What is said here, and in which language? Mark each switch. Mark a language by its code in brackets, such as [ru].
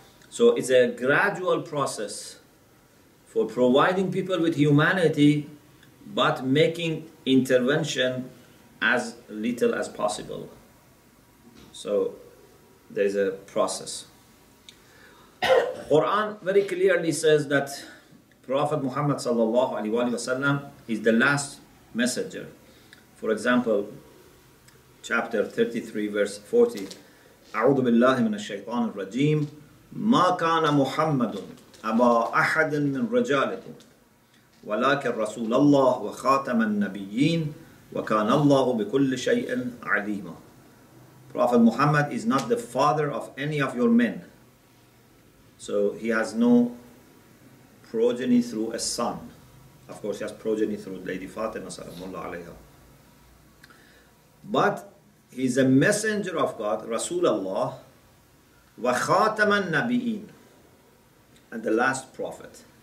[en] So it's a gradual process for providing people with humanity, but making intervention as little as possible. So there's a process. Quran very clearly says that Prophet Muhammad sallallahu alaihi wasallam is the last messenger. For example, chapter 33, verse 40, [ar] أعوذ بالله من الشيطان الرجيم ما كان محمد أبا أحد من رجالكم ولكن رسول الله وخاتم النبيين وكان الله بكل شيء عليما. [en] Prophet Muhammad is not the father of any of your men. So he has no progeny through a son. Of course, he has progeny through Lady Fatima salamullah alayha. But he's a messenger of God, Rasulullah, wa khataman nabiin, and the last prophet.